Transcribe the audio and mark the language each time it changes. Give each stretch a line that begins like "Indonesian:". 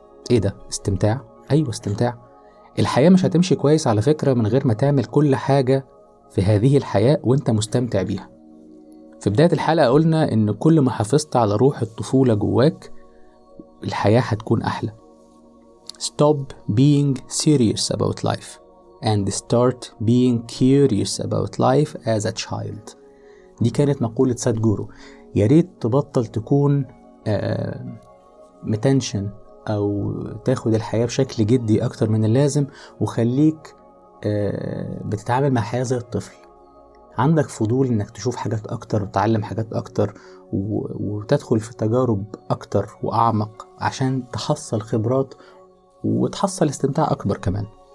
Arabic: ايه ده استمتاع؟ ايوه استمتاع. الحياة مش هتمشي كويس على فكرة من غير ما تعمل كل حاجة في هذه الحياة وانت مستمتع بيها. في بداية الحلقة قلنا ان كل ما حافظت على روح الطفولة جواك الحياة هتكون احلى.
English: Stop being serious about life and start being curious about life as a child.
Arabic: دي كانت مقولة ساتجورو. ياريت تبطل تكون متنشن او تاخد الحياة بشكل جدي اكتر من اللازم، وخليك بتتعامل مع الحياة زي الطفل، عندك فضول انك تشوف حاجات اكتر وتعلم حاجات اكتر وتدخل في تجارب اكتر واعمق عشان تحصل خبرات وتحصل استمتاع اكبر كمان.